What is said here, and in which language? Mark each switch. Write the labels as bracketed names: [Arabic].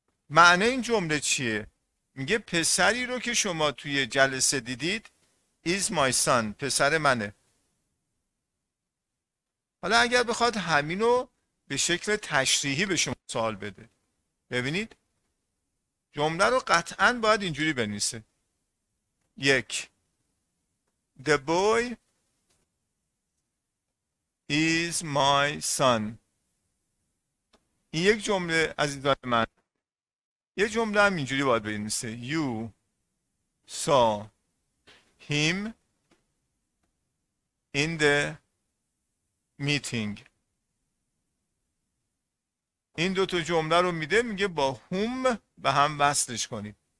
[Persian] معنی این جمله چیه؟ میگه پسری رو که شما توی جلسه دیدید [English] is my son، [Persian] پسر منه. حالا اگر بخواد همینو به شکل تشریحی به شما سوال بده، ببینید جمله رو قطعا باید اینجوری بنویسه. یک، [English] the boy is my son. [Persian] این یک جمله عزیزان من. یه جمله هم اینجوری باید بنویسه، [English] you saw him in the meeting. [Persian] این دو تا جمله رو میده، میگه با whom به هم وصلش کنید.